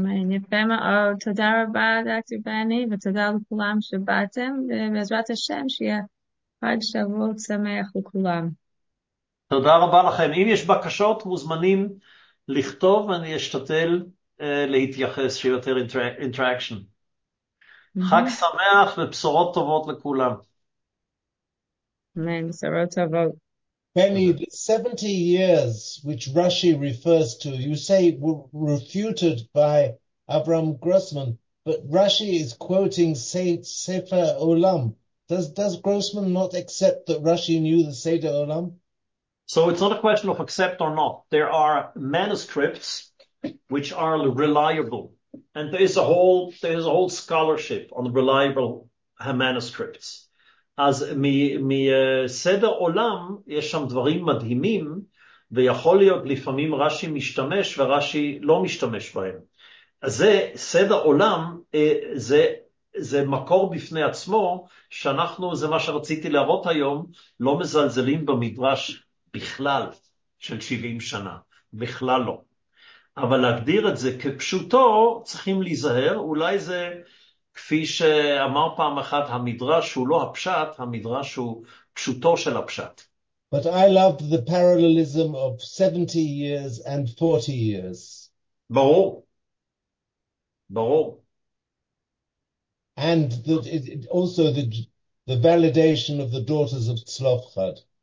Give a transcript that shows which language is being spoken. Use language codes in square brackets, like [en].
[he] יפה מאוד, תודה רבה דוקטור בני, ותודה לכולם שבאתם, ובעזרת השם שיהיה חג שבועות שמח לכולם. תודה רבה לכם, אם יש בקשות מוזמנים לכתוב, אני אשתתל להתייחס שיותר אינטראקשן. חג שמח ובשורות טובות לכולם. אמן, בשורות טובות. [en] Benny, the 70 years which Rashi refers to, you say were refuted by Avram Grossman, but Rashi is quoting Sefer Olam. Does Grossman not accept that Rashi knew the Sefer Olam? So it's not a question of accept or not. There are manuscripts which are reliable, and there is a whole scholarship on reliable manuscripts. [he] אז מסדר עולם יש שם דברים מדהימים, ויכול להיות לפעמים רשי משתמש ורשי לא משתמש בהם. אז זה סדר עולם, זה מקור בפני עצמו, שאנחנו, זה מה שרציתי להראות היום, לא מזלזלים במדרש בכלל של 70 שנה, בכלל לא. אבל להגדיר את זה כפשוטו צריכים להיזהר, אולי זה... כפי שאמר פעם אחת, המדרש הוא לא הפשט, המדרש הוא פשוטו של הפשט. [en] But I love the parallelism of 70 years and 40 years. [he] ברור. ברור. [en] And that it also the validation of the daughters of Tzlofchad.